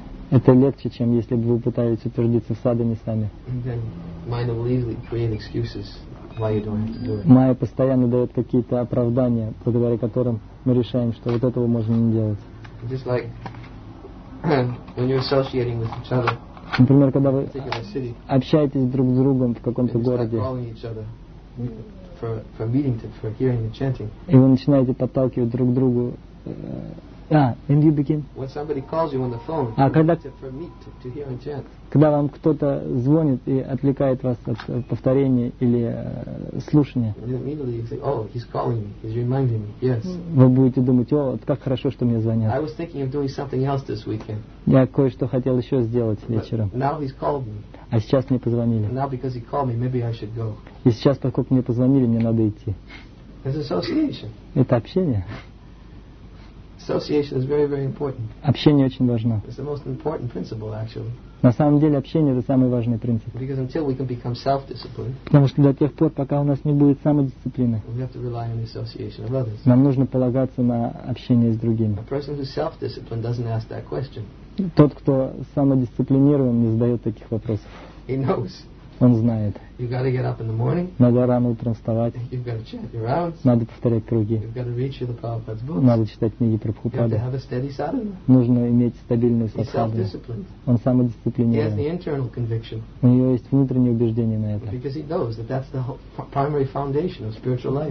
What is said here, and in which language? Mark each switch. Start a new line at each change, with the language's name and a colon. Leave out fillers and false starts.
Russian: Это легче, чем если бы вы пытались утвердиться в садхане сами. Майя постоянно дает какие-то оправдания, благодаря которым мы решаем, что вот этого можно не делать.
English: Just like when you're associating with each other.
Russian: Например, когда вы общаетесь друг с другом в каком-то городе. И вы начинаете подталкивать друг к другу.
English: And you begin. When somebody calls you on the phone, to hear and chant.
Russian: Когда вам кто-то звонит и отвлекает вас от повторения или слушания.
English: Immediately you say, oh, he's calling me. He's reminding me. Yes.
Russian: Вы будете думать, о, вот как хорошо, что мне звонят.
English: I was thinking of doing something else this weekend.
Russian: Я кое-что хотел еще сделать вечером.
English: But now he's called me.
Russian: А сейчас мне позвонили.
English: And now because he called me, maybe I should go.
Russian: И сейчас, поскольку мне позвонили, мне надо идти.
English: It's association.
Russian: Это общение.
English: Association is very, very important.
Russian: Общение очень важно.
English: It's the most important principle, actually.
Russian: На самом деле общение это самый важный принцип.
English: Because until we can become self-disciplined,
Russian: потому что до тех пор, пока у нас не будет самодисциплины,
English: we have to rely on the association of others.
Russian: Нам нужно полагаться на общение с другими.
English: A person who's self-disciplined doesn't ask that question.
Russian: Тот, кто самодисциплинирован, не задает таких вопросов.
English: He knows.
Russian: Он знает.
English: You've got to get up in the morning.
Russian: Надо рано утром вставать.
English: You've got to chant your rounds.
Russian: Надо повторять круги.
English: You've got to read through the Prabhupada's books.
Russian: Надо читать книги Прабхупады.
English: You have to have a steady sadhana.
Russian: Нужно иметь стабильную
English: садхану. He's self-disciplined.
Russian: Он самодисциплинирован.
English: He has the internal conviction.
Russian: У него есть внутреннее убеждение на это.
English: Because he knows that that's the primary foundation of spiritual life.